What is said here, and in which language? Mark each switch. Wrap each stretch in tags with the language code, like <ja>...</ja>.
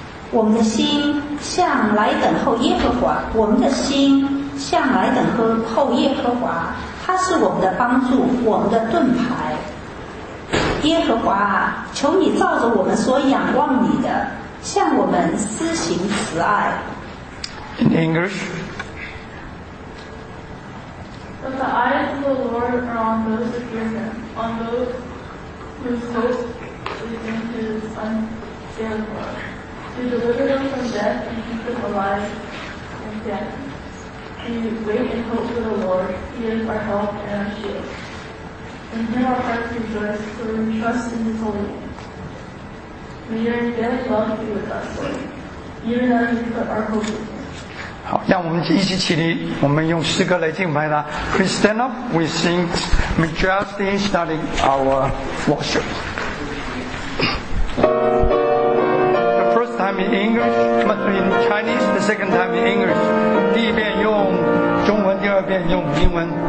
<zh>我们的心向来等候耶和华，我们的心向来等候耶和华，他是我们的帮助，我们的盾牌。耶和华，求你照着我们所仰望你的，向我们施行慈爱。</zh> <en>In English. But the eyes of the Lord are on those who fear him, on those whose hope is in his unfailing love, to deliver them from death and keep them alive in death. We wait and hope for the Lord. He is our help and our shield. In him our hearts rejoice, for we trust in his holy name. May your dead love be with us, Lord, even as we put our hope in him.</en> <zh>好，让我们一起起立，我们用诗歌来敬拜他。</zh> <en>Please stand up, we sing Majesty starting our worship. The first time in English, in Chinese, the second time in English.</en> <zh>第一遍用中文，第二遍用英文。</zh>